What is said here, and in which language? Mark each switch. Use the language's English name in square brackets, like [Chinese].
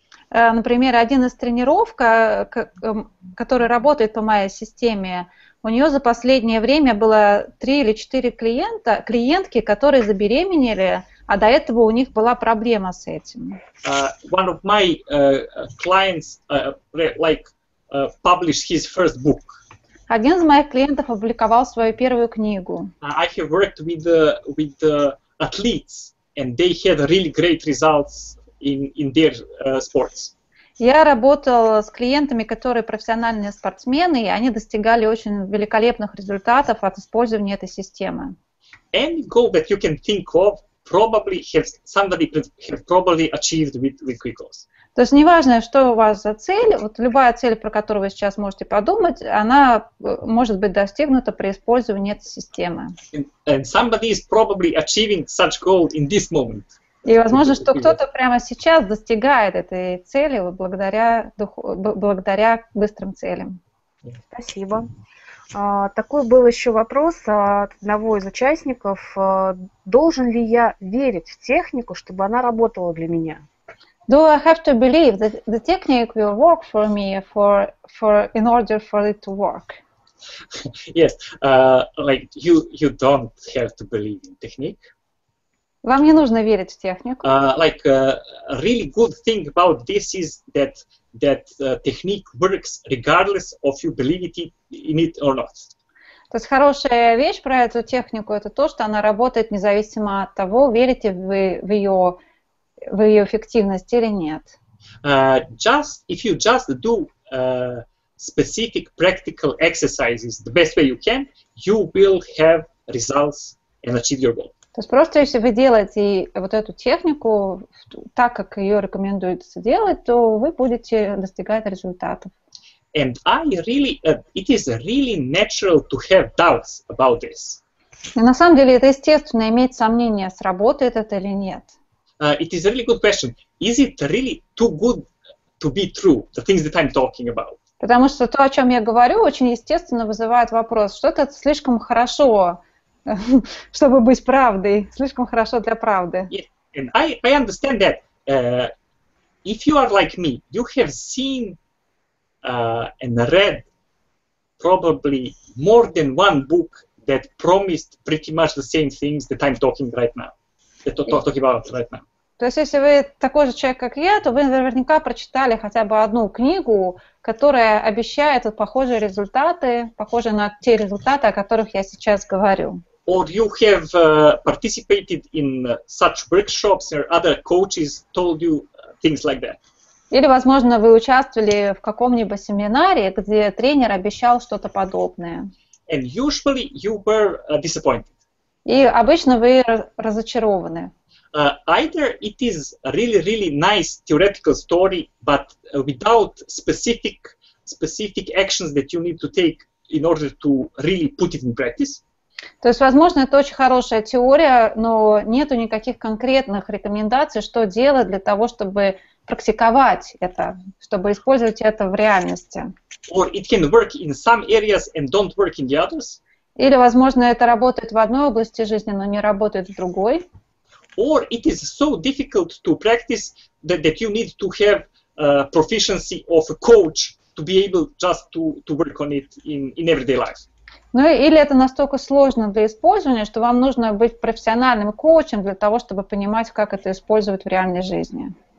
[Russian] Например, один из тренеров, который работает по моей системе, у нее за последнее время было 3 или 4 клиентки, которые забеременели, а до этого у них была проблема с этим. [English] One of my clients published his first book. [Russian] Один из моих клиентов опубликовал свою первую книгу. [English] I have worked with the athletes, and they had really great results in their sports. [Russian] Я работал с клиентами, которые профессиональные спортсмены, и они достигали очень великолепных результатов от использования этой системы. [English] Any goal that you can think of probably has somebody has probably achieved with QuickGoals. [Russian] То есть неважно, что у вас за цель, вот любая цель, про которую вы сейчас можете подумать, она может быть достигнута при использовании этой системы. [English] And somebody is probably achieving such goal in this moment. [Russian] И возможно, что кто-то прямо сейчас достигает этой цели благодаря быстрым целям. Спасибо. Такой был еще вопрос от одного из участников. Должен ли я верить в технику, чтобы она работала для меня? [English] Do I have to believe that the technique will work for me for in order for it to work? Yes, you don't have to believe in technique. [Russian] Вам не нужно верить в технику. [English] Really good thing about this is that technique works regardless of you believe in it or not. [Russian] То есть хорошая вещь про эту технику это то, что она работает независимо от того, верите вы в ее эффективность или нет. [English] Specific practical exercises the best way you can, you will have results and achieve your goal. [Russian] То есть просто если вы делаете вот эту технику так, как ее рекомендуется делать, то вы будете достигать результатов. [English] And I really, it is really natural to have doubts about this. [Russian] На самом деле, это естественно иметь сомнения, сработает это или нет. [English] It is a really good question. Is it really too good to be true, the things that I'm talking about? [Russian] Потому что то, о чем я говорю, очень естественно вызывает вопрос, что-то слишком хорошо, чтобы быть правдой, слишком хорошо для правды. [English] Yeah. And I understand that. If you are like me, you have seen and read probably more than one book that promised pretty much the same things that I'm talking right now, [Russian] То есть, если вы такой же человек, как я, то вы наверняка прочитали хотя бы одну книгу, которая обещает похожие результаты, похожие на те результаты, о которых я сейчас говорю. [English] Or you have participated in such workshops, or other coaches told you things like that. [Russian] Или, возможно, вы участвовали в каком-нибудь семинаре, где тренер обещал что-то подобное. [English] And usually you were disappointed. [Russian] И обычно вы разочарованы. [English] Either it is really, really nice theoretical story, but without specific actions that you need to take in order to really put it in practice. [Russian] То есть, возможно, это очень хорошая теория, но нету никаких конкретных рекомендаций, что делать для того, чтобы практиковать это, чтобы использовать это в реальности. [English] Or it can work in some areas and don't work in the others. [Russian] Или, возможно, это работает в одной области жизни, но не работает в другой. [English] Or it is so difficult to practice that you need to have proficiency of a coach to be able just to work on it in everyday life. [Russian] Ну или это настолько сложно для использования, что вам нужно быть профессиональным коучем для того, чтобы понимать, как это использовать в реальной жизни.